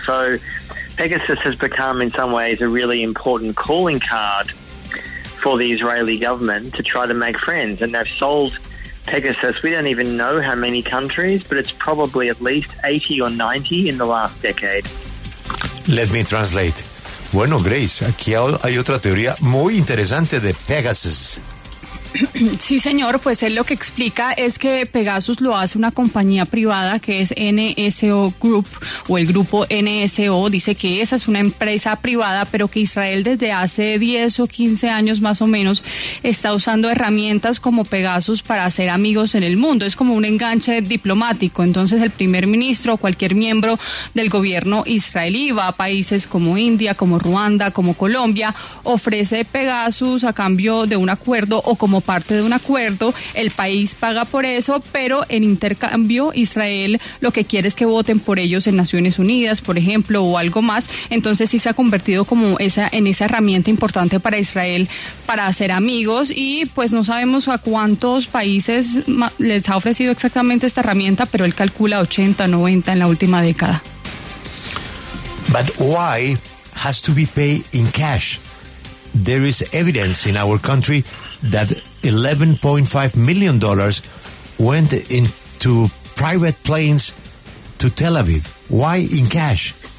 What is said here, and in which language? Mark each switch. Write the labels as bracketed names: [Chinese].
[English] So Pegasus has become, in some ways, a really important calling card for the Israeli government to try to make friends. And they've sold Pegasus, we don't even know how many countries, but it's probably at least 80 or 90 in the last decade. Let me translate. [Spanish] Bueno, Grace, aquí hay otra teoría muy interesante de Pegasus. Sí, señor, pues él lo que explica es que Pegasus lo hace una compañía privada que es NSO Group, o el grupo NSO. Dice que esa es una empresa privada, pero que Israel desde hace 10 o 15 años más o menos está usando herramientas como Pegasus para hacer amigos en el mundo. Es como un enganche diplomático. Entonces el primer ministro o cualquier miembro del gobierno israelí va a países como India, como Ruanda, como Colombia, ofrece Pegasus a cambio de un acuerdo o como parte de un acuerdo, el país paga por eso, pero en intercambio Israel lo que quiere es que voten por ellos en Naciones Unidas, por ejemplo, o algo más. Entonces sí se ha convertido como en esa herramienta importante para Israel para hacer amigos, y pues no sabemos a cuántos países les ha ofrecido exactamente esta herramienta, pero él calcula 80, 90 en la última década. [English] But why has to be paid in cash? There is evidence in our country that $11.5 million went into private planes to Tel Aviv. Why in cash?